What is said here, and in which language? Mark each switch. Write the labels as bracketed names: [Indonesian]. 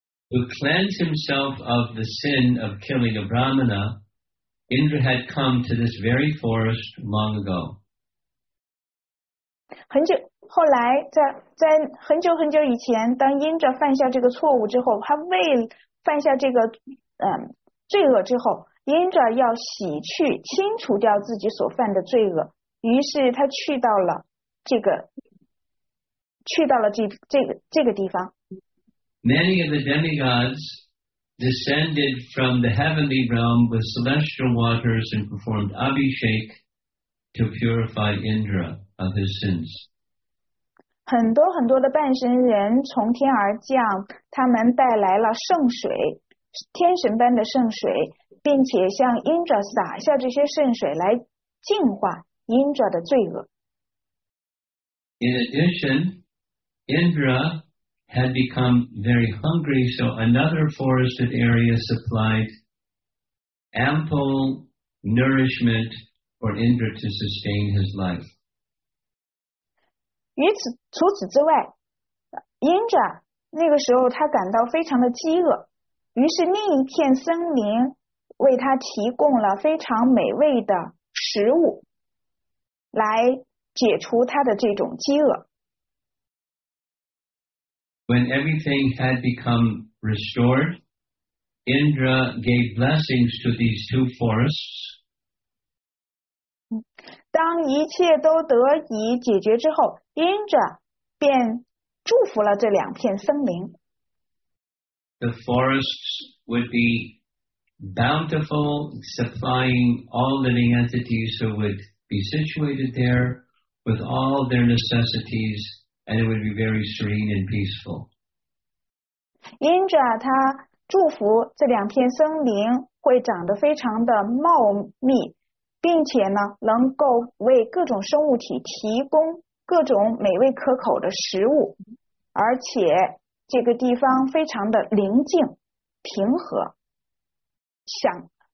[English] To cleanse himself of the sin of killing a Brahmana, Indra had come to this very forest long ago. [Chinese] 很久后来，在很久很久以前，当 Indra 犯下这个错误之后，他为犯下这个罪恶之后， Indra 要洗去清除掉自己所犯的罪恶，于是他去到了这个。去到了这个地方。 [English] Many of the demigods descended from the heavenly realm with celestial waters and performed abhishek to purify Indra of his sins. [Chinese] 很多很多的半神人从天而降，他们带来了圣水，天神般的圣水，并且向 Indra 洒下这些圣水来净化 Indra 的罪恶。 [English] In addition,Indra had become very hungry, so another forested area supplied ample nourishment for Indra to sustain his life. [Chinese] 除此之外， Indra 那个时候他感到非常的饥饿，于是另一片森林为他提供了非常美味的食物，来解除他的这种饥饿。 [English] When everything had become restored, Indra gave blessings to these two forests. [Chinese] 当一切都得以解决之后， Indra 便祝福了这两片森林。 [English] The forests would be bountiful, supplying all living entities who would be situated there with all their necessities. And it would be very serene and peaceful. [Chinese] Indra, 他祝福这两片森林会长得非常的茂密，并且呢，能够为各种生物体提供各种美味可口的食物，而且这个地方非常的宁静、平和、祥。